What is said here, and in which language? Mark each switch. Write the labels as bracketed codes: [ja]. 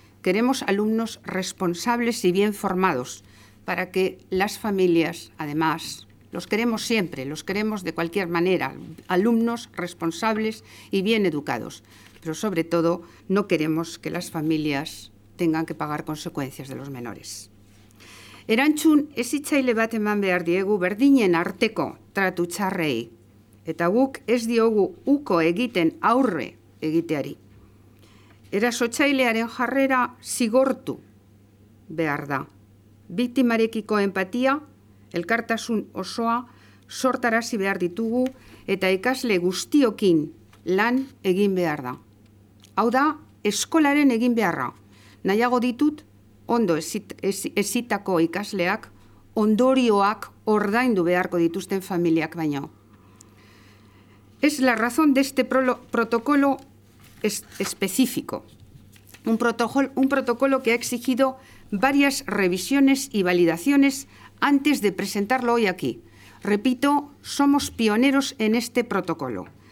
[es] Queremos alumnos responsables y bien formados para que las familias, además, los queremos siempre, los queremos de cualquier manera, alumnos responsables y bien educados. Pero sobre todo, no queremos que las familias tengan que pagar consecuencias de los menores. [eu] Erantzun hezitzaile bat eman behar diegu berdinen arteko tratu txarrei. Eta guk ez diogu uko egiten aurre egiteari. Erasotzailearen jarrera zigortu behar da. Biktimarekiko empatia, elkartasun osoa sortarazi behar ditugu eta ikasle guztiokin lan egin behar da. Hau da, eskolaren egin beharra. Nahiago ditut, ondo ezitako ikasleak, ondorioak ordaindu beharko dituzten familiak baino. [es] Es la razón de este protocolo específico, un protocolo que ha exigido varias revisiones y validaciones antes de presentarlo hoy aquí. Repito, somos pioneros en este protocolo.